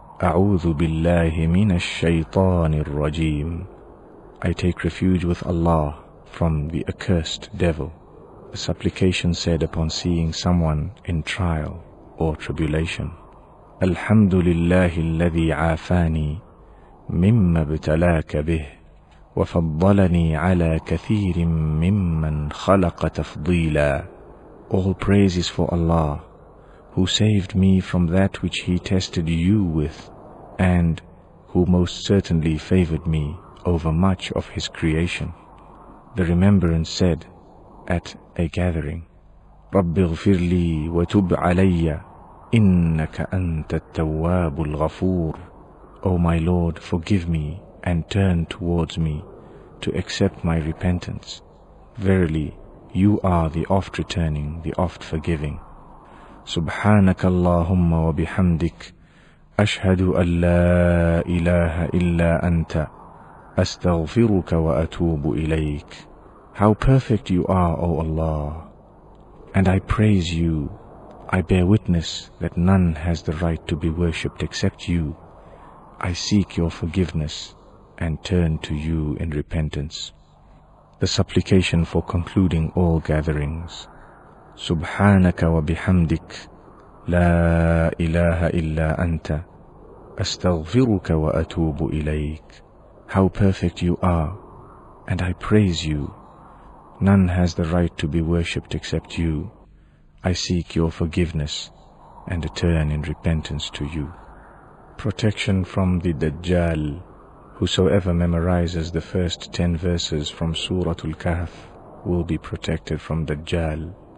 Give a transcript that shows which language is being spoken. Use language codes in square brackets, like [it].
[ar] أعوذ بالله من الشيطان الرجيم. [en] I take refuge with Allah from the accursed devil. The supplication said upon seeing someone in trial or tribulation. [ar] الحمد لله الذي عافاني مما ابتلاك به وفضلني على كثير ممن خلق تفضيلا. [en] All praises for Allah, who saved me from that which He tested you with, and who most certainly favored me over much of His creation. The remembrance said at a gathering, [ar] رب اغفر لي وتب علي إنك أنت التواب الغفور. [en] O my Lord, forgive me and turn towards me to accept my repentance. Verily, You are the oft-returning, the oft-forgiving. [ar] سبحانك اللهم وبحمدك أشهد أن لا إله إلا أنت أستغفرك وأتوب إليك. [en] How perfect You are, O Allah! And I praise You. I bear witness that none has the right to be worshipped except You. I seek Your forgiveness and turn to You in repentance. The supplication for concluding all gatherings. [ar] سبحانك وبحمدك لا إله إلا أنت أستغفرك وأتوب إليك. [en] How perfect You are, and I praise You. None has the right to be worshipped except You. I seek Your forgiveness and turn in repentance to You. Protection from the Dajjal. Whosoever memorizes the first 10 verses from Surah Al-Kahf will be protected from Dajjal.